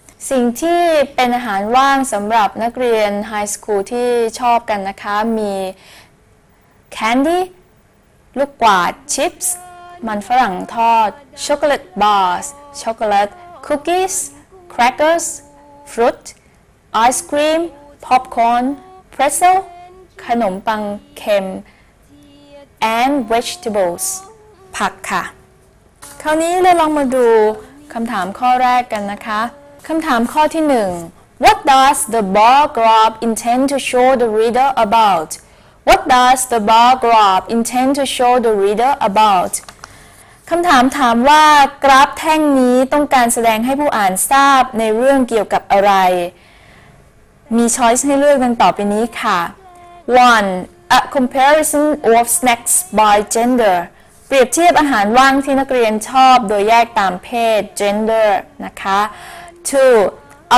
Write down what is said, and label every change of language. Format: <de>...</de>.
<th>สิ่งที่เป็นอาหารว่างสำหรับนักเรียน high school ที่ชอบกันนะคะมี candy ลูกกวาด chips มันฝรั่งทอด chocolate bars chocolateCookies, crackers, fruit, ice cream, popcorn, pretzel, ขนมปังเค็ม and vegetables, ผักค่ะคราวนี้เราลองมาดูคำถามข้อแรกกันนะคะคำถามข้อที่หนึ่ง</th> <en>What does the bar graph intend to show the reader about? What does the bar graph intend to show the reader about?</en> <th>คำถามถามว่ากราฟแท่งนี้ต้องการแสดงให้ผู้อ่านทราบในเรื่องเกี่ยวกับอะไรมีช้อยส์ให้เลือกดังต่อไปนี้ค่ะ 1.</th> <en>A comparison of snacks by gender</en> <th>เปรียบเทียบอาหารว่างที่นักเรียนชอบโดยแยกตามเพศ gender นะคะ 2.</th>